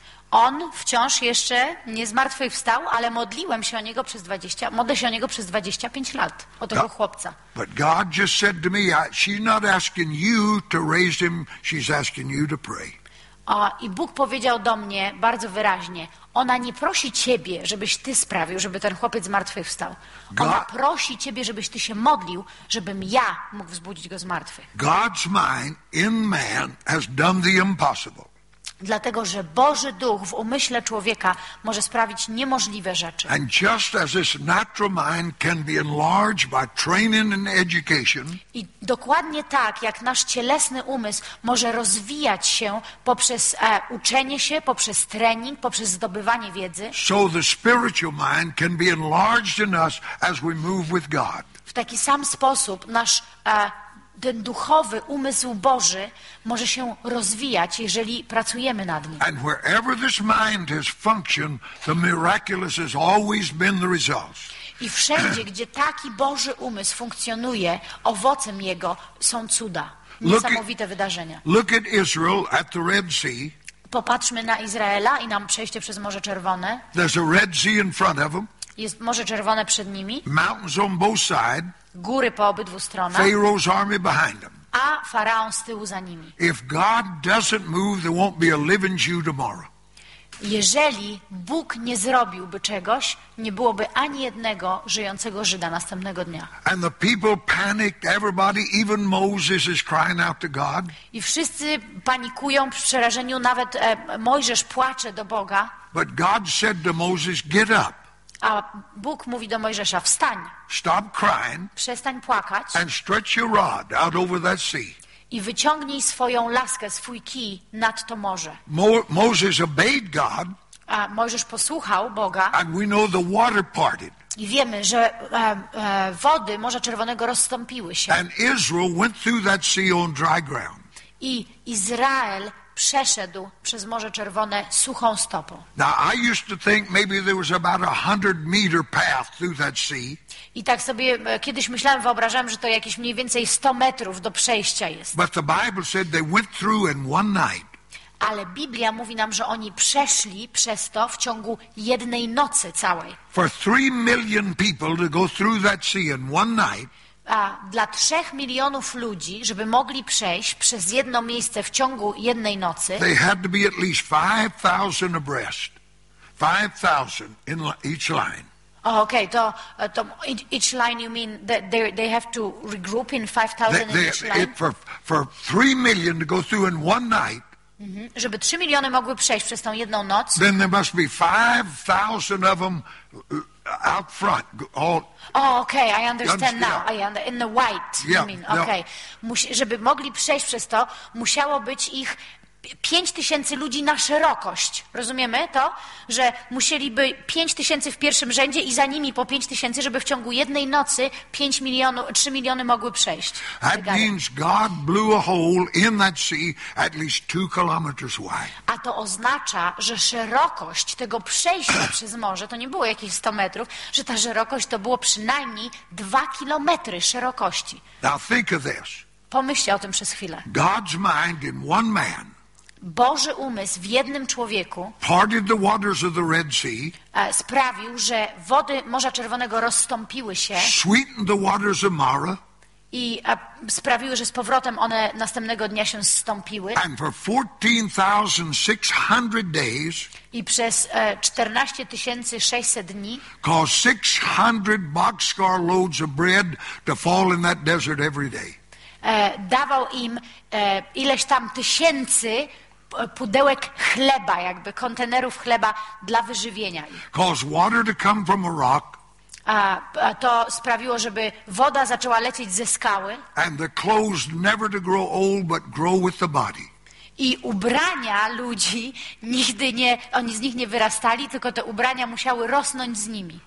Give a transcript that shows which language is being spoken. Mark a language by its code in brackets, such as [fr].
[pl] On wciąż jeszcze nie zmartwychwstał, ale modliłem się o niego przez 20, modlę się o niego przez 25 lat, o tego chłopca. [en] But God just said to me, she's not asking you to raise him, she's asking you to pray. [pl] I Bóg powiedział do mnie bardzo wyraźnie, ona nie prosi ciebie, żebyś ty sprawił, żeby ten chłopiec zmartwychwstał. Ona prosi ciebie, żebyś ty się modlił, żebym ja mógł wzbudzić go z martwych. [en] God's mind in man has done the impossible. [pl] Dlatego, że Boży Duch w umyśle człowieka może sprawić niemożliwe rzeczy. [en] And just as this natural mind can be enlarged by training and education. [pl] I dokładnie tak, jak nasz cielesny umysł może rozwijać się poprzez uczenie się, poprzez trening, poprzez zdobywanie wiedzy. [en] So the spiritual mind can be enlarged in us as we move with God. [pl] W taki sam sposób nasz ten duchowy umysł Boży może się rozwijać, jeżeli pracujemy nad nim. [en] And wherever this mind has functioned, the miraculous has always been the result. [pl] I wszędzie, gdzie taki Boży umysł funkcjonuje, owocem jego są cuda, niesamowite wydarzenia. [en] Look at Israel at the Red Sea. [pl] Popatrzmy na Izraela i nam przejście przez Morze Czerwone. [en] There's a Red Sea in front of them. [pl] Jest Morze Czerwone przed nimi. [en] Mountains on both sides. [pl] Góry po obydwu stronach. [en] Pharaoh's army behind them. [pl] A faraon z tyłu za nimi. [en] If God doesn't move, there won't be a living Jew tomorrow. [pl] Jeżeli Bóg nie zrobiłby czegoś, nie byłoby ani jednego żyjącego Żyda następnego dnia. [en] And the people panicked, everybody, even Moses is crying out to God. [pl] I wszyscy panikują w przerażeniu, nawet Mojżesz płacze do Boga. [en] But God said to Moses, get up. [pl] A Bóg mówi do Mojżesza, wstań. [en] Stop crying. [pl] Przestań płakać. [en] And stretch your rod out over that sea. [pl] I wyciągnij swoją laskę, swój kij nad to morze. [en] Moses obeyed God. [pl] A Mojżesz posłuchał Boga. [en] And we know the water parted. [pl] I wiemy, że wody Morza Czerwonego rozstąpiły się. [en] And Israel went through that sea on dry ground. [pl] I Izrael przeszedł przez Morze Czerwone suchą stopą. [en] Now I used to think maybe there was about a 100-meter path through that sea. [pl] I tak sobie kiedyś myślałem, wyobrażałem, że to jakieś mniej więcej 100 metrów do przejścia jest. [en] But the Bible said they went through in one night. [pl] Ale Biblia mówi nam, że oni przeszli przez to w ciągu jednej nocy całej. [en] For 3 million people to go through that sea in one night. [pl] A dla 3 milionów ludzi, żeby mogli przejść przez jedno miejsce w ciągu jednej nocy, [en] they had to be at least 5,000 abreast, 5,000 in each line. Oh, okay, to each line, you mean that they have to regroup in 5,000 in each line? For 3 million to go through in one night. Mm-hmm. [pl] Żeby 3 miliony mogły przejść przez tą jedną noc. [en] Then there must be 5,000 of them out front. All... Oh, okay, I understand now. In the white, I mean. Okay. [pl] Żeby mogli przejść przez to, musiało być ich 5,000 ludzi na szerokość. Rozumiemy to? Że musieliby 5,000 w pierwszym rzędzie i za nimi po 5,000, żeby w ciągu jednej nocy 3 miliony mogły przejść. [en] That means God blew a hole in that sea at least 2 kilometers wide. [pl] A to oznacza, że szerokość tego przejścia przez morze, to nie było jakieś 100 metrów, że ta szerokość to było przynajmniej 2 kilometry szerokości. [en] Now think of this. [pl] Pomyślcie o tym przez chwilę. [en] God's mind in one man. [pl] Boży umysł w jednym człowieku [en] parted the waters of the Red Sea, [pl] sprawił, że wody Morza Czerwonego rozstąpiły się, [en] sweetened the waters of Mara, [pl] i sprawiły, że z powrotem one następnego dnia się zstąpiły. [en] And for 14,600 days, [pl] i przez 14,600 dni [en] caused 600 boxcar loads of bread to fall in that desert every day. [pl] Dawał im ileś tam tysięcy pudełek chleba, jakby kontenerów chleba dla wyżywienia. [en] Cause water to come from a rock. [pl] A to sprawiło, żeby woda zaczęła lecieć ze skały. [en] And the clothes never to grow old, but grow with the body. [pl] I ubrania ludzi nigdy nie, oni z nich nie wyrastali, tylko te ubrania musiały rosnąć z nimi.